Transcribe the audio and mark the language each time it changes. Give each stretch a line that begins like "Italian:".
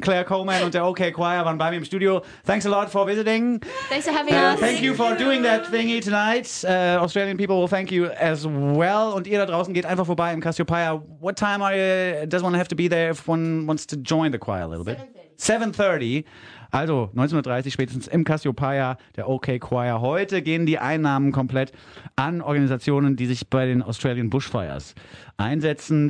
German: Claire Coleman und der OK Choir waren bei mir im Studio.
English: Thanks a lot for visiting. Thanks for having us. Thank you for doing that thingy tonight. Australian people will thank you as well.
German: Und ihr da draußen geht einfach vorbei im Cassiopeia.
English: What time does one have to be there if one wants to join the choir a little bit?
German: 7:30. Also 19:30 spätestens im Cassiopeia, der OK Choir. Heute gehen die Einnahmen komplett an Organisationen, die sich bei den Australian Bushfires einsetzen.